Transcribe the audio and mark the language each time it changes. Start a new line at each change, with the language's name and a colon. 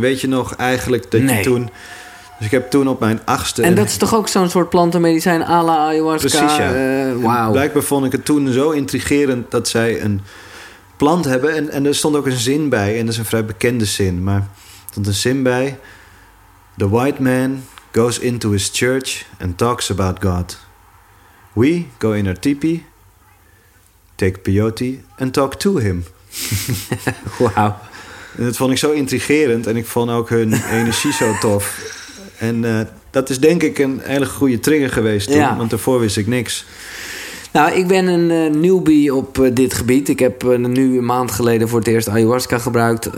Dutch: Weet je nog eigenlijk dat je toen... Dus ik heb toen op mijn 8e... En dat is toch ook zo'n soort plantenmedicijn à la ayahuasca? Precies, ja. Wow. Blijkbaar vond ik het toen zo intrigerend dat zij een plant hebben. En er stond ook een zin bij. En dat is een vrij bekende zin. Maar er stond een zin bij.
English: The white man goes into his church and talks about God. We go in our tipi, take peyote and talk to him.
Dutch: Wauw. En dat vond ik zo intrigerend en ik vond ook hun energie zo tof. En dat is denk ik een hele goede trigger geweest toen, want daarvoor wist ik niks. Nou, ik ben een newbie op dit gebied. Ik heb nu een maand geleden voor het eerst ayahuasca gebruikt.